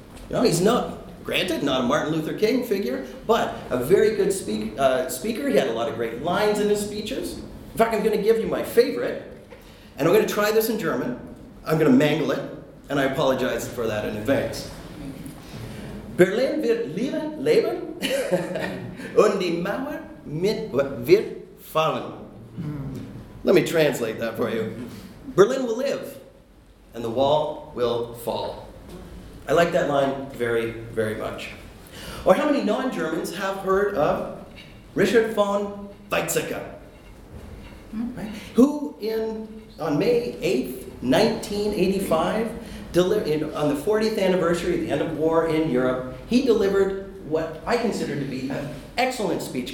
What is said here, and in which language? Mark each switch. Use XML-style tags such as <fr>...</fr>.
<en>You know, he's not, granted, not a Martin Luther King figure, but a very good speaker. He had a lot of great lines in his speeches. In fact, I'm going to give you my favorite, and I'm going to try this in German. I'm going to mangle it, and I apologize for that in advance.</en> <de>Berlin wird leben, und die Mauer mit wird fallen.</de> <en>Let me translate that for you. Berlin will live, and the wall will fall. I like that line very, very much. Or how many non-Germans have heard of Richard von Weizsäcker? Right? Who on May 8th, 1985, on the 40th anniversary of the end of war in Europe, he delivered what I consider to be an excellent speech.</en>